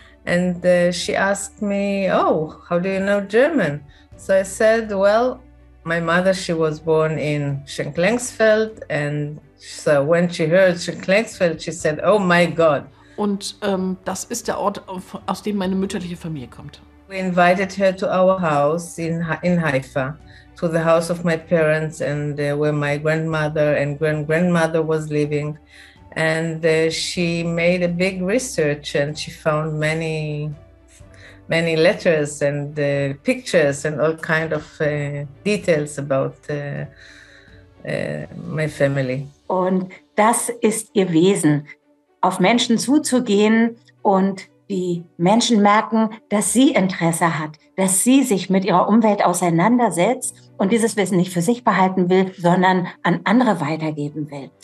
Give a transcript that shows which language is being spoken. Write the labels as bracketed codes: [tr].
[en] And she asked me, oh, how do you know German? So I said, well, my mother, she was born in Schenklengsfeld. And so when she heard Schenklengsfeld, she said, oh my God. [de] Und das ist der Ort, aus dem meine mütterliche Familie kommt. [en] We invited her to our house in Haifa, to the house of my parents and where my grandmother and grandmother was living. And she made a big research and she found many many letters and pictures and all kind of details about my family. [de] Und das ist ihr Wesen, auf Menschen zuzugehen und die Menschen merken, dass sie Interesse hat, dass sie sich mit ihrer Umwelt auseinandersetzt und dieses Wissen nicht für sich behalten will, sondern an andere weitergeben will.